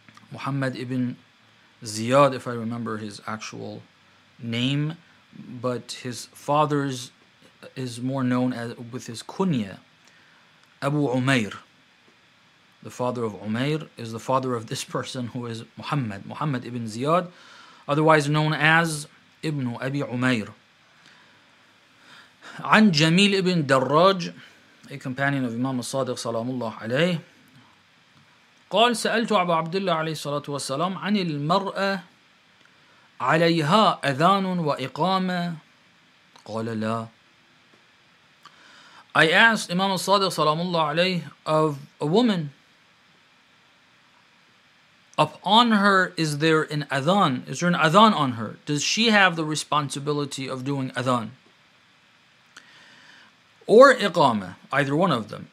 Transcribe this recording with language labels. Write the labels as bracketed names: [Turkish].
[English] Muhammad ibn Ziyad, if I remember his actual name, but his father's is more known as with his kunya, Abu Umayr. The father of Umayr is the father of this person who is Muhammad, Muhammad ibn Ziyad, otherwise known as Ibn Abi Umayr. An Jamil ibn Darraj, a companion of Imam al-Sadiq salamullah alayh, [Arabic] قال سألت أبا عبد الله عليه الصلاة والسلام عن المرأة عليها أذان وإقامة قال لا. [English] I asked Imam al-Sadiq [Arabic] صلى الله عليه [English] of a woman, upon her is there an adhan? Is there an adhan on her? Does she have the responsibility of doing adhan or iqama, either one of them?